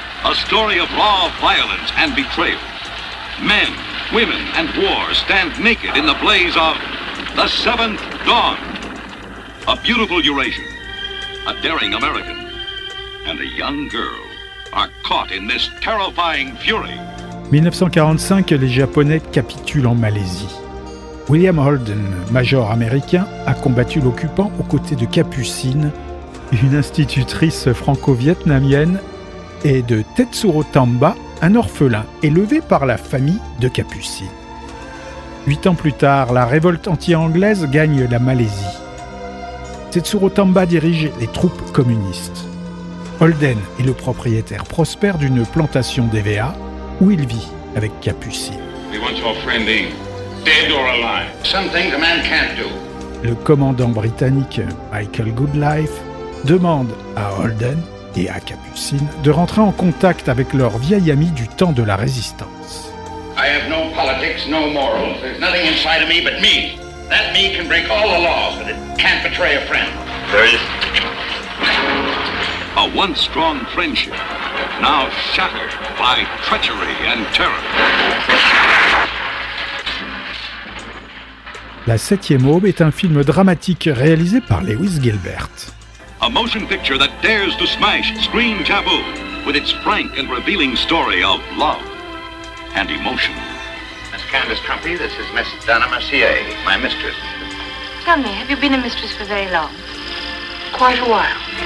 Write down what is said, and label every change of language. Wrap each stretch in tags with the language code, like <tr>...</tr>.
<en>A story of raw violence and betrayal. Men, women, and war stand naked in the blaze of the Seventh Dawn. A beautiful Eurasian, a daring American, and a young girl are caught in this terrifying fury.</en> <fr>1945, les Japonais capitulent en Malaisie. William Holden, major américain, a combattu l'occupant aux côtés de Capucine, une institutrice franco-vietnamienne, et de Tetsuro Tamba, un orphelin élevé par la famille de Capucine. 8 ans plus tard, la révolte anti-anglaise gagne la Malaisie. Tetsuro Tamba dirige les troupes communistes. Holden est le propriétaire prospère d'une plantation d'EVA où il vit avec Capucine.</fr> <en>We want your friend in, dead or alive. Something a man can't do.</en> <fr>Le commandant britannique Michael Goodlife demande à Holden et à Capucine de rentrer en contact avec leur vieil ami du temps de la résistance.</fr> <en>I have no politics, no morals. There's nothing inside of me but me. That me can break all the laws, but it can't betray a friend. There is a once strong friendship, now shattered by treachery and terror.</en> <fr>La Septième Aube est un film dramatique réalisé par Lewis Gilbert.</fr> <en>A motion picture that dares to smash screen taboo with its frank and revealing story of love and emotion. Miss Candace Trumpy, this is Miss Donna Mercier, my mistress. Tell me, have you been a mistress for very long? Quite a while.</en>